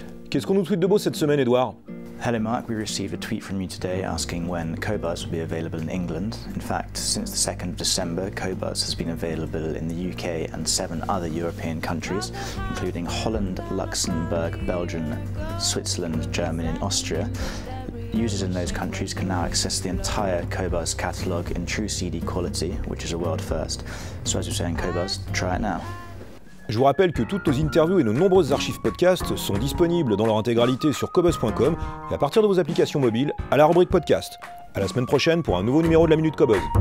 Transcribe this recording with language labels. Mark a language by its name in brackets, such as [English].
[French] Qu'est-ce qu'on nous tweet de beau cette semaine, Edouard ? [English] Hello Mark, we received a tweet from you today asking when Cobuz will be available in England. In fact, since the 2nd of December, Cobuz has been available in the UK and 7 other European countries, including Holland, Luxembourg, Belgium, Switzerland, Germany and Austria. Users in those countries can now access the entire Cobuz catalogue in true CD quality, which is a world first. So as you're saying, Cobuz, try it now. [French] Je vous rappelle que toutes nos interviews et nos nombreuses archives podcasts sont disponibles dans leur intégralité sur cobuz.com et à partir de vos applications mobiles à la rubrique podcast. À la semaine prochaine pour un nouveau numéro de la Minute Cobuz.